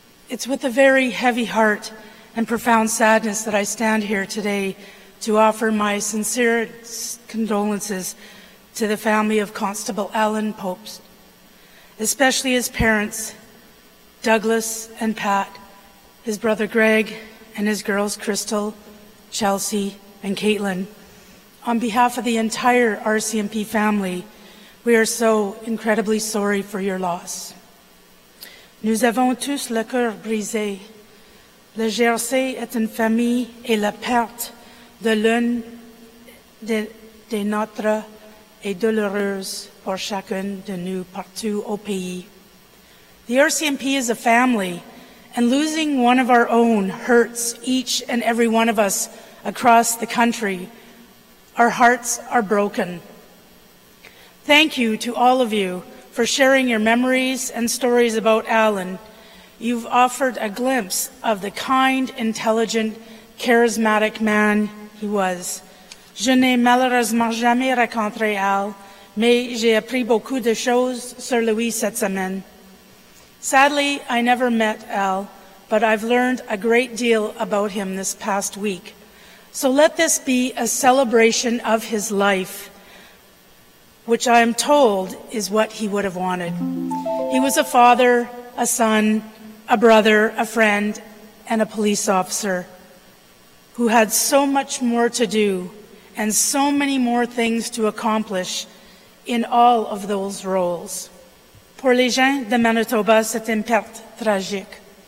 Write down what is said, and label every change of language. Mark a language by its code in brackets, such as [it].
[en] It's with a very heavy heart and profound sadness that I stand here today to offer my sincere condolences to the family of Constable Alan Pope, especially his parents, Douglas and Pat, his brother Greg, and his girls Crystal, Chelsea, and Caitlin. On behalf of the entire RCMP family, we are so incredibly sorry for your loss. [fr] Nous avons tous le cœur brisé. Le GRC est une famille et la perte de l'un de notre est douloureuse pour chacun de nous partout au pays. [en] The RCMP is a family, and losing one of our own hurts each and every one of us across the country. Our hearts are broken. Thank you to all of you for sharing your memories and stories about Alan. You've offered a glimpse of the kind, intelligent, charismatic man he was. [fr] Je n'ai malheureusement jamais rencontré Al, mais j'ai appris beaucoup de choses sur lui cette semaine. [en] Sadly, I never met Al, but I've learned a great deal about him this past week. So let this be a celebration of his life, which I am told is what he would have wanted. He was a father, a son, a brother, a friend, and a police officer who had so much more to do and so many more things to accomplish in all of those roles. [fr] Pour les gens de Manitoba, c'est une perte tragique.